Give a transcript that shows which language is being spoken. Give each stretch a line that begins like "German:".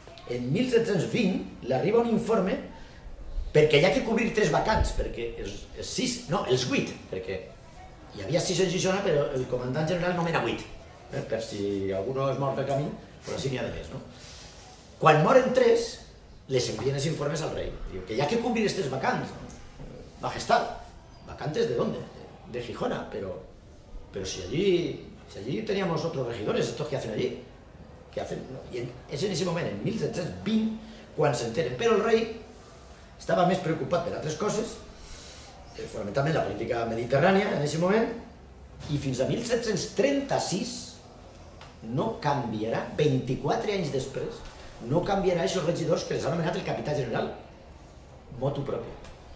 Catalan: En 1720 l'arriba un informe perquè hi ha que cobrir tres vacants, perquè els sis, no, els vuit, perquè hi havia sis en Xixona, però el comandant general nomena vuit, per si algú no és mort pel camí, però així n'hi ha de més. Quan moren tres, les envien els informes al rei. Diu que hi ha que cobrir els tres vacants.
Spanish: Majestat, vacantes de dónde? De Gijona, però si allí teníamos otros regidores, estos que hacen allí.
Catalan: I és en aquest moment, en 1720, quan s'enteren. Però el rei estava més preocupat per altres coses, fonamentalment la política mediterrània en aquest moment, i fins a 1736 no canviarà, 24 anys després, no canviarà aquests regidors que els ha nomenat el capità general, motu propi.